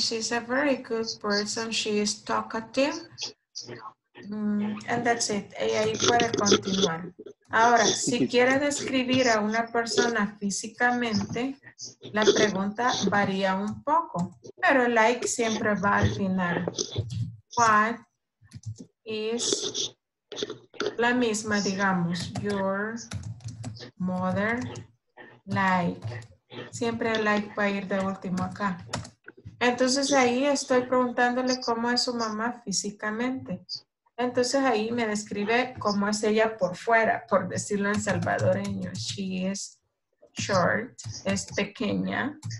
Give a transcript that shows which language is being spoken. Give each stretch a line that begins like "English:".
English: She's a very good person. She is talkative. And that's it.
Spanish: Y ahí puede continuar. Ahora, si quiere describir a una persona físicamente, la pregunta varía un poco. Pero el like siempre va al final.
English: What is
Spanish: la misma, digamos,
English: your mother like?
Spanish: Siempre el like va a ir de último acá. Entonces ahí estoy preguntándole cómo es su mamá físicamente. Entonces ahí me describe cómo es ella por fuera, por decirlo en salvadoreño.
English: She is short,
Spanish: es pequeña.